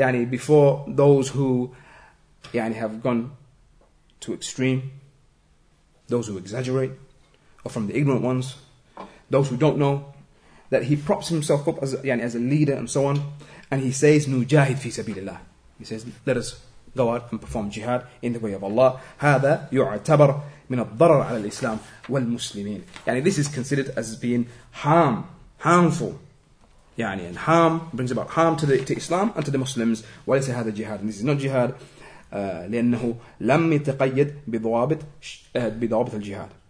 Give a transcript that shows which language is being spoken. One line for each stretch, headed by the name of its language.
English: before those who have gone to extreme, those who exaggerate, or from the ignorant ones, those who don't know, that he props himself up as a leader and so on, and he says, Nujahid fi sabilillah. He says, let us go out and perform jihad in the way of Allah.
Arabic: هذا يعتبر من الضرر على الإسلام والمسلمين.
English: This is considered as being harmful. And harm brings about harm to Islam and to the Muslims. Why is this jihad? And this is not jihad.
Arabic: لأنه لم يتقيد بضوابط الجهاد.